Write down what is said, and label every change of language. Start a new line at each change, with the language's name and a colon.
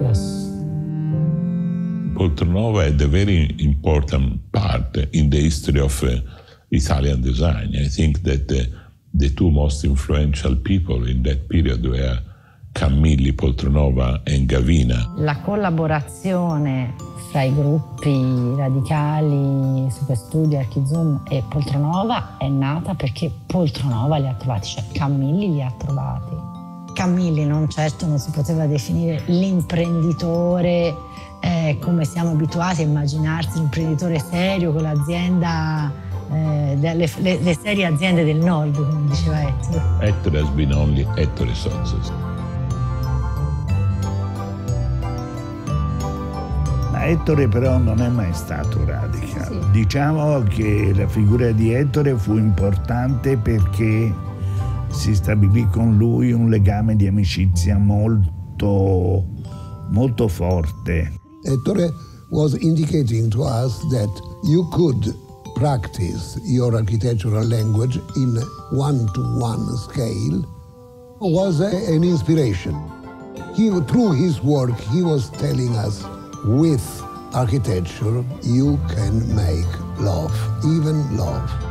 English: Yes. Poltronova is a very important part in the history of Italian design. I think that the two most influential people in that period were Camilli Poltronova and Gavina.
Italian: La collaborazione tra i gruppi radicali, Superstudio, Archizum e Poltronova è nata perché Poltronova li ha trovati, cioè Camilli li ha trovati. Camilli non certo non si poteva definire l'imprenditore come siamo abituati a immaginarsi, l'imprenditore serio con l'azienda, le serie aziende del nord, come diceva Ettore.
English: Ettore has been only Ettore Sozzos.
Italian: Ettore però non è mai stato radical. Sì. Diciamo che la figura di Ettore fu importante perché si stabilì con lui un legame di amicizia molto, molto forte.
English: Ettore was indicating to us that you could practice your architectural language in one-to-one scale. It was an inspiration. He, through his work, he was telling us with architecture, you can make love, even love.